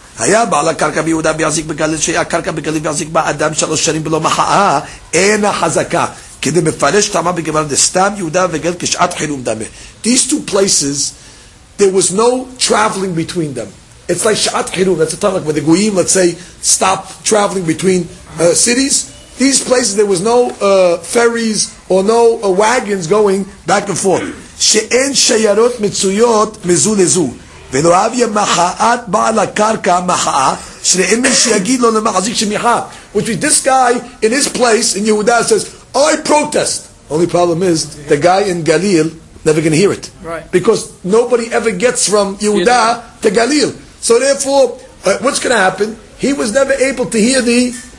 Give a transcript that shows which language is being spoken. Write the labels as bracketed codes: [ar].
[he] היה בעל הקרקע ביהודה ויחזיק בגליל, שהיה הקרקע בגליל ויחזיק בה אדם 3 שנים בלא מחאה, אין החזקה. כדי מפרש תמה בגמרא דסתם יהודה וגליל כשעת חילום דמה. [en] These two places, there was no traveling between them. It's like שעת חילום, that's a time like when the Goyim, let's say, stop traveling between cities. These places, there was no ferries or no wagons going back and forth. [he] שאין שיירות מצויות מזו לזו ולא אביה מחאת בעל הקרקע מחאה שאין מי שיגיד לו למחזיק שמיחה. [en] Which means this guy in his place in Yehuda says, I protest. Only problem is the guy in Galil never going to hear it. Right. Because nobody ever gets from Yehuda to Galil. So therefore, what's going to happen? He was never able to hear the...